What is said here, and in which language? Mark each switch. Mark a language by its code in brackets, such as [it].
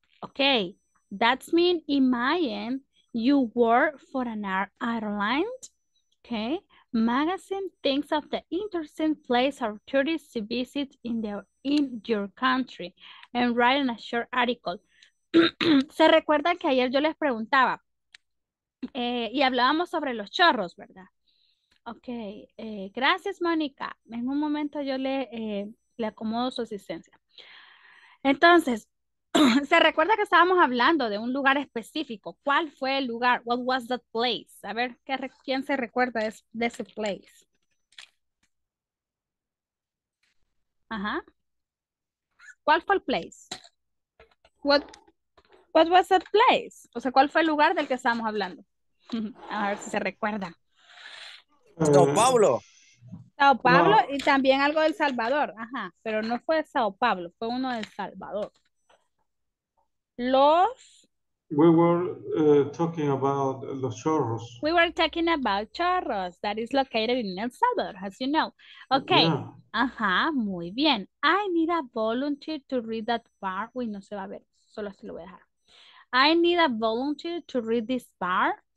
[en] Ok, that means imagine you work for an airline. Ok, magazine thinks of the interesting place or tourists to visit in your country and writing a short article. [es] ¿Se recuerda que ayer yo les preguntaba y hablábamos sobre los chorros, verdad? Ok, gracias, Mónica. En un momento yo le acomodo su asistencia. Entonces, se recuerda que estábamos hablando de un lugar específico. ¿Cuál fue el lugar? [en] What was that place? [es] A ver, ¿quién se recuerda de ese place? Ajá. ¿Cuál fue el place? [en] What was that place? [es] O sea, ¿cuál fue el lugar del que estábamos hablando? A ver si se recuerda. Sao Paulo no. Y también algo del Salvador, ajá, pero no fue Sao Paulo, fue uno del Salvador. [en] We were talking about chorros that is located in El Salvador, as you know. Okay, yeah. [es] Ajá, muy bien. [en] I need a volunteer to read that part. [es] Uy, no se va a ver, solo así lo voy a dejar. [en] I need a volunteer to read this part.